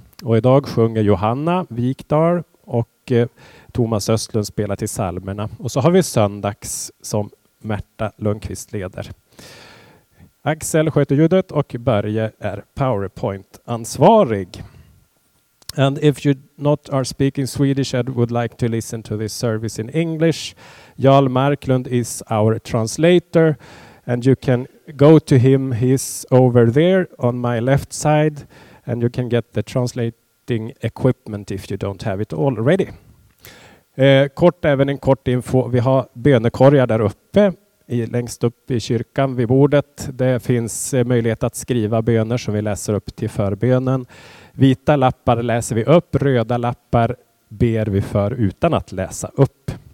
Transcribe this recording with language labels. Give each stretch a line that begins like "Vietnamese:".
Swedish: Och idag sjunger Johanna Wikdal och Thomas Östlund spelar till salmerna. Och så har vi söndags som Märta Lundqvist leder. Axel sköter ljudet och Börje är PowerPoint-ansvarig.
English: And if you not are speaking Swedish and would like to listen to this service in English, Jarl Marklund is our translator and you can go to him. He's over there on my left side and you can get the translating equipment if you don't have it already.
Swedish: Kort, även en kort info. Vi har bönekorgar där uppe, längst upp i kyrkan vid bordet. Det finns möjlighet att skriva böner som vi läser upp till förbönen. Vita lappar läser vi upp, röda lappar ber vi för utan att läsa upp.